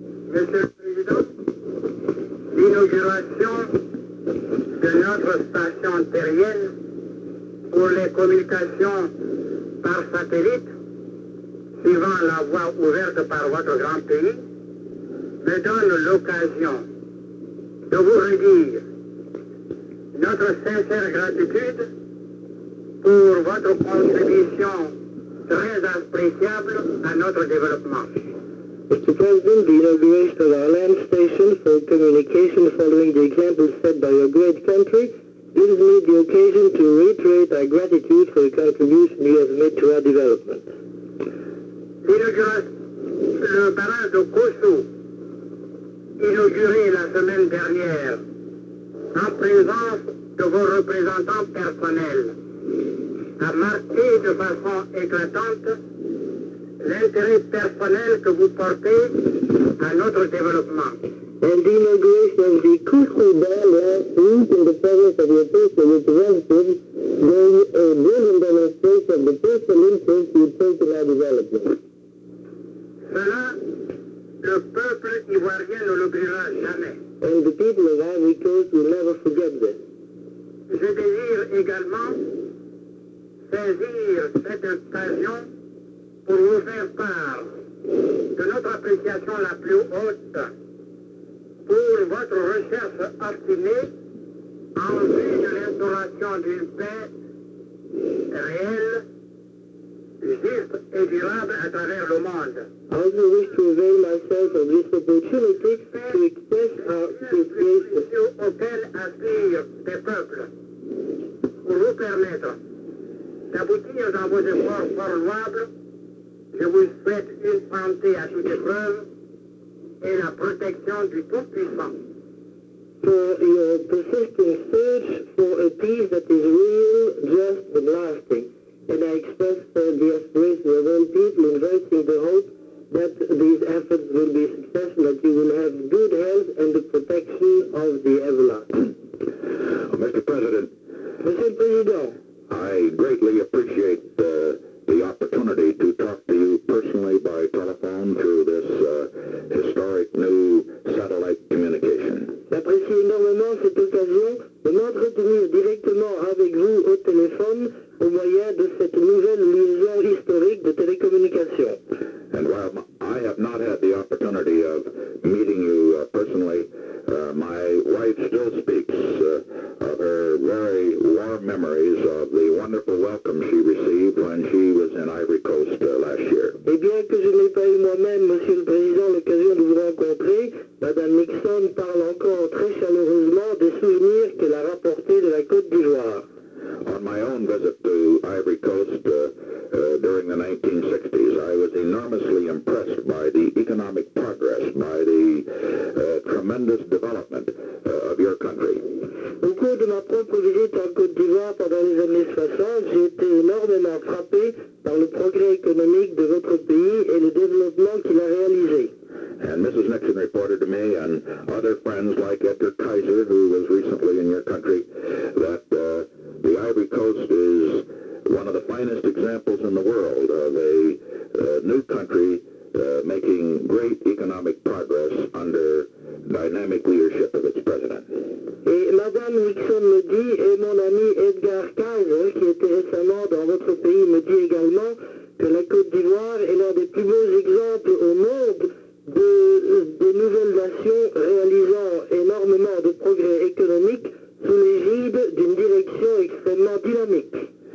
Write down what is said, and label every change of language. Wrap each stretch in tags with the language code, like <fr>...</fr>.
<fr>Monsieur le Président, l'inauguration de notre station terrienne pour les communications par satellite suivant la voie ouverte par votre grand pays me donne l'occasion de vous redire notre sincère gratitude pour votre contribution très appréciable à notre développement.</fr> <en>Mr. President, the inauguration of our land station for communication following the example set by your great country gives me the occasion to reiterate our gratitude for the contribution you have made to our development.</en> <fr>L'inauguration, le barrage de Kosu, inauguré la semaine dernière, en présence de vos représentants personnels, a marqué de façon éclatante l'intérêt personnel que vous portez à notre développement.</fr> <en>And the inauguration of the Kusu Bandar used in the presence of your personal representatives during a brilliant demonstration of the personal interest you take in our development.</en> <fr>Cela, le peuple ivoirien ne l'oubliera jamais.</fr> <en>And the people of Ivory Coast will never forget this.</en> <fr>Je désire également saisir cette occasion pour vous faire part de notre appréciation la plus haute pour votre recherche obstinée en vue de l'instauration d'une paix réelle, juste et durable à travers le monde.</fr> <en>I also wish to avail myself of this opportunity to express our appreciation</en> <fr>auquel aspire des peuples pour vous permettre d'aboutir dans vos efforts fort louables. Je vous souhaite une santé à toute épreuve et la protection du Tout-Puissant.</fr> <en>For your persistent search for a peace that is real, just and lasting. And I express the aspiration of all people in voicing the hope that these efforts will be successful, that you will have good health and the protection of the everlasting. Mr. President.</en> <fr>Monsieur le Président.</fr> <en>I greatly appreciate the opportunity to talk to you personally by telephone through this historic new satellite communication.</en> <fr>J'apprécie énormément cette occasion de m'entretenir directement avec vous au téléphone au moyen de cette nouvelle liaison historique de télécommunication.</fr> <en>And while I have not had the opportunity of meeting you personally, my wife still speaks of her very warm memories of the wonderful welcome she received when she was in Ivory Coast last year.</en> <fr>Et bien que je n'ai pas eu moi-même, Monsieur le Président, l'occasion de vous rencontrer, Madame Nixon parle encore très chaleureusement des souvenirs qu'elle a rapportés de la Côte d'Ivoire.</fr> <en>On my own visit to Ivory Coast during the 1960s, I was enormously impressed by the economic progress, by the tremendous development of your country.</en> <fr>Au cours de ma propre visite en Côte d'Ivoire pendant les années 60, j'ai été énormément frappé par le progrès économique de votre pays et le développement qu'il a réalisé.</fr> <en>And Mrs. Nixon reported to me and other friends like Edgar Kaiser, who was recently in your country, that the Ivory Coast is one of the finest examples in the world of a new country making great economic progress under dynamic leadership of its president.</en> <fr>Et Madame Nixon me dit, et mon ami Edgar Kaiser, qui était récemment dans votre pays, me dit également que la Côte d'Ivoire est l'un des plus beaux exemples au monde de nouvelles nations réalisant énormément de progrès économiques sous l'égide d'une direction extrêmement dynamique.</fr>